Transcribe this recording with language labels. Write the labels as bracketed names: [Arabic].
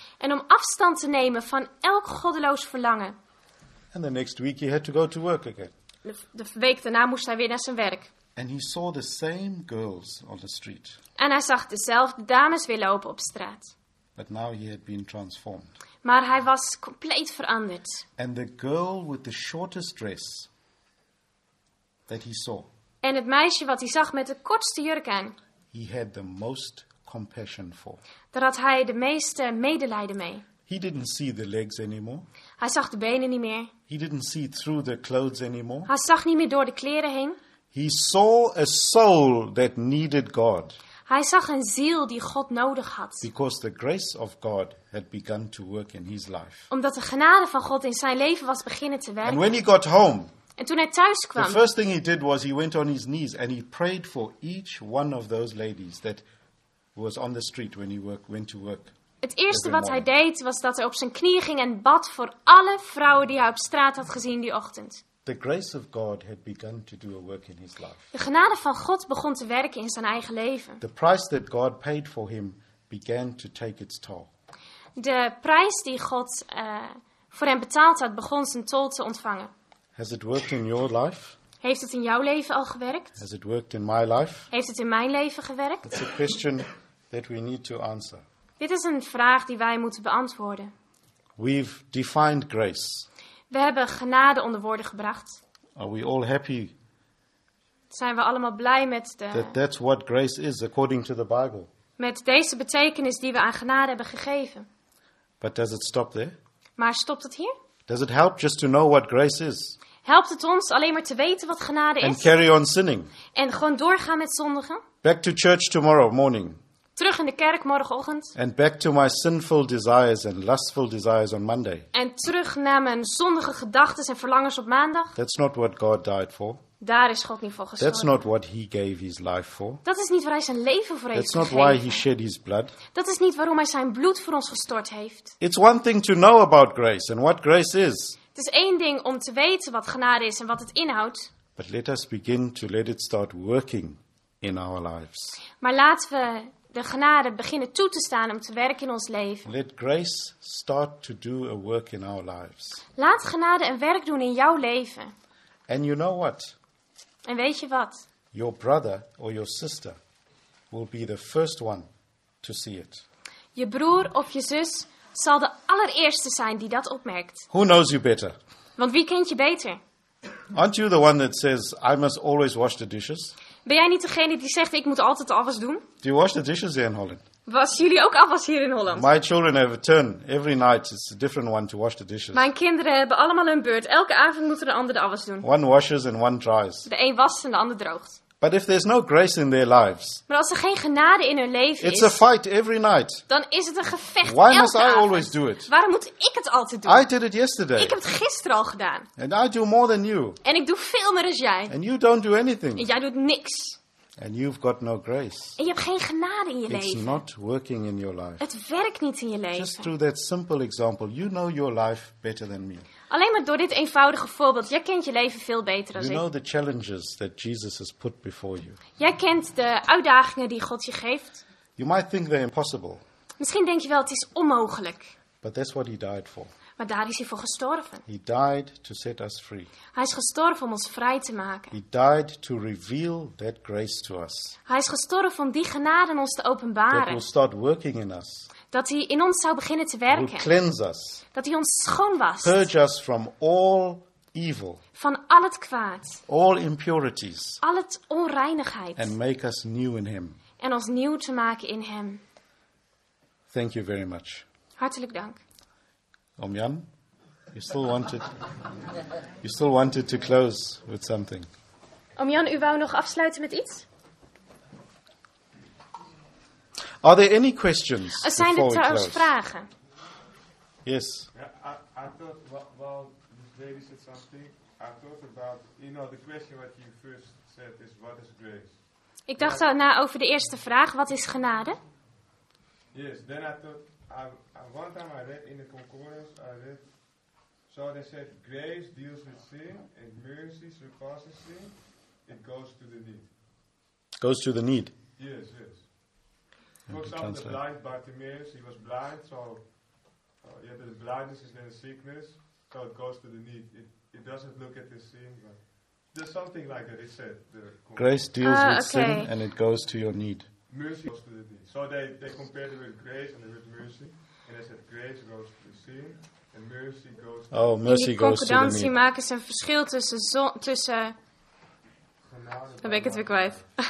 [Dutch] En om afstand te nemen van elk goddeloos verlangen. [English] And the next week he had to go to work again. [Dutch] De week daarna moest hij weer naar zijn werk. [English] And he saw the same girls on the street. [Dutch] En hij zag dezelfde dames weer lopen op straat. [English] But now he had been transformed. [Dutch] Maar hij was compleet veranderd. [English] And the girl with the shortest dress that he saw. [Dutch] En het meisje wat hij zag met de kortste jurk aan. [English] He had the most compassion for. [Dutch] Daar had hij de meeste medelijden mee. [English] He didn't see the legs anymore. [Dutch] Hij zag de benen niet meer. [English] He didn't see through the clothes anymore. [Dutch] Hij zag niet meer door de kleren heen. [English] He saw a soul that needed God. [Dutch] Hij zag een ziel die God nodig had. [English] Because the grace of God had begun to work in his life. [Dutch] Omdat de genade van God in zijn leven was beginnen te werken. [English] And when he got home. [Dutch] En toen hij thuis kwam. [English] The first thing he did was he went on his knees and he prayed for each one of those ladies that was on the street when he went to work. [Dutch] Het eerste wat hij deed was dat hij op zijn knieën ging en bad voor alle vrouwen die hij op straat had gezien die ochtend. [English] The grace of God had begun to do a work in his life. [Dutch] De genade van God begon te werken in zijn eigen leven. [English] The price that God paid for him began to take its toll. [Dutch] De prijs die God voor hem betaald had begon zijn tol te ontvangen. [English] Has it worked in your life? [Dutch] Heeft het in jouw leven al gewerkt? [English] Has it worked in my life? [Dutch] Heeft het in mijn leven gewerkt? [English] It's a question that we need to answer. [Dutch] Dit is een vraag die wij moeten beantwoorden. [English] We've defined grace. [Dutch] We hebben genade onder woorden gebracht. [English] Are we all happy? [Dutch] Zijn we allemaal blij met de? [English] That's what grace is, according to the Bible. [Dutch] Met deze betekenis die we aan genade hebben gegeven. [English] But does it stop there? [Dutch] Maar stopt het hier? [English] Does it help just to know what grace is? [Dutch] Helpt het ons alleen maar te weten wat genade is? [English] And carry on sinning. [Dutch] En gewoon doorgaan met zondigen? [English] Back to church tomorrow morning. [Dutch] Terug in de kerk morgenochtend. [English] And back to my sinful desires and lustful desires on Monday. [Dutch] En terug naar mijn zondige gedachten en verlangens op maandag. [English] That's not what God died for. [Dutch] Daar is God niet voor gestorven. [English] That's not what he gave his life for. [Dutch] Dat is niet waar hij zijn leven voor heeft gegeven. [English] That's not why he shed his blood. [Dutch] Dat is niet waarom hij zijn bloed voor ons gestort heeft. [English] It's one thing to know about grace and what grace is. [Dutch] Het is één ding om te weten wat genade is en wat het inhoudt. [English] But let us begin to let it start working in our lives. [Dutch] Maar laten we de genade beginnen toe te staan om te werken in ons leven. [English] Let grace start to do a work in our lives. [Dutch] Laat genade een werk doen in jouw leven. [English] And you know what? [Dutch] En weet je wat? [English] Your brother or your sister will be the first one to see it. [Dutch] Je broer of je zus zal de allereerste zijn die dat opmerkt. [English] Who knows you better? [Dutch] Want wie kent je beter? [English] Aren't you the one that says I must always wash the dishes? [Dutch] Ben jij niet degene die zegt ik moet altijd alles doen? [English] Do you wash the dishes here in Holland? [Dutch] Was jullie ook afwas hier in Holland? [English] My children have a turn every night. It's a different one to wash the dishes. [Dutch] Mijn kinderen hebben allemaal hun beurt. Elke avond moeten de anderen de afwas doen. [English] One washes and one dries. [Dutch] De een wast en de ander droogt. [English] But if there's no grace in their lives, [Dutch] maar als er geen genade in hun leven [English] it's [Dutch] is, [English] a fight every night. [Dutch] Dan is het een gevecht. [English] Why [Dutch] elke [English] must [Dutch] avond. [English] I always do it? [Dutch] Waarom moet ik het altijd doen? [English] I did it yesterday. [Dutch] Ik heb het gisteren al gedaan. [English] And I do more than you. [Dutch] En ik doe veel meer dan jij. [English] And you don't do anything. [Dutch] En jij doet niks. [English] And you've got no grace. [Dutch] En je hebt geen genade in je leven. [English] It's not working in your life. [Dutch] Het werkt niet in je leven. [English] Just through that simple example, you know your life better than me. [Dutch] Alleen maar door dit eenvoudige voorbeeld. Jij kent je leven veel beter dan [English] you [Dutch] ik. [English] Know the challenges that Jesus has put before you. [Dutch] Jij kent de uitdagingen die God je geeft. [English] You might think they're impossible. [Dutch] Misschien denk je wel, het is onmogelijk. [English] But that's what he died for. [Dutch] Maar daar is hij voor gestorven. [English] He died to set us free. [Dutch] Hij is gestorven om ons vrij te maken. [English] He died to reveal that grace to us. [Dutch] Hij is gestorven om die genade in ons te openbaren. [English] That will start working in us. [Dutch] Dat hij in ons zou beginnen te werken. [English] Will cleanse us. [Dutch] Dat hij ons schoon was. [English] Purge us from all evil. [Dutch] Van al het kwaad. [English] All impurities. [Dutch] Al het onreinigheid. [English] And make us new in him. [Dutch] En ons nieuw te maken in hem. [English] Thank you very much. [Dutch] Hartelijk dank. [English] Om Jan, you still wanted to close with something. [Dutch] Om Jan, u wou nog afsluiten met iets? [English] Are there any questions? [Dutch] Er zijn er trouwens vragen. [English] Yes. Yeah, I thought, said something. I thought about, you know, the question what you first said is what is grace. [Dutch] Ik dacht al na over de eerste vraag, wat is genade? [English] Yes, then I thought. One time I read in the Concordance, I read, so they said, grace deals with sin, and mercy surpasses sin, it goes to the need. Goes to the need? Yes, yes. For example, the blind Bartimaeus, he was blind, so the blindness is then a sickness, so it goes to the need. It doesn't look at the sin, but there's something like that, it said. The grace deals with sin, and it goes to your need. Mercy goes to the need. So they compared it with grace and the word mercy. And they said grace goes to the sin and mercy goes to the mercy goes to the need. [Dutch] In die concordantie maken ze een verschil tussen... Dan ben ik het weer kwijt.